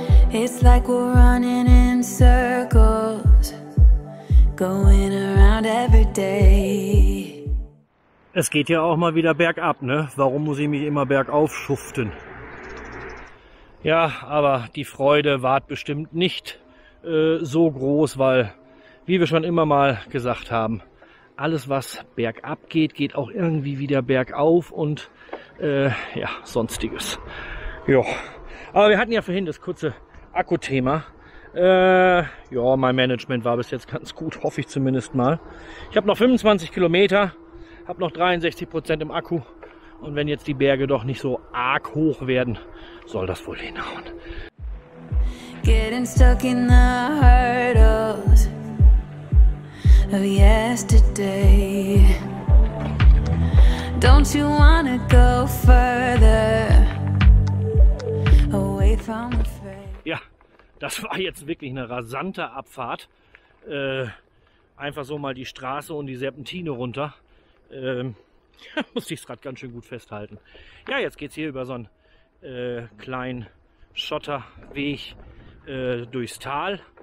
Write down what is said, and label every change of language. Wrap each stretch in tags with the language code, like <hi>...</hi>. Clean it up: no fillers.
<en>It's like we're running in circles, going around every day.</en> <de>Es geht ja auch mal wieder bergab, ne? Warum muss ich mich immer bergauf schuften? Ja, aber die Freude war bestimmt nicht so groß, weil, wie wir schon immer mal gesagt haben, alles was bergab geht, geht auch irgendwie wieder bergauf und sonstiges. Ja, aber wir hatten ja vorhin das kurze Akkuthema. Mein Management war bis jetzt ganz gut, hoffe ich zumindest mal. Ich habe noch 25 Kilometer, habe noch 63% im Akku und wenn jetzt die Berge doch nicht so arg hoch werden, soll das wohl hinhauen.</de> <en>Getting stuck in the hurdles of yesterday. Don't you wanna go further away from the fray?</en> <de>Ja. Das war jetzt wirklich eine rasante Abfahrt. Einfach so mal die Straße und die Serpentine runter. Musste ich es gerade ganz schön gut festhalten. Ja, jetzt geht es hier über so einen kleinen Schotterweg durchs Tal.</de>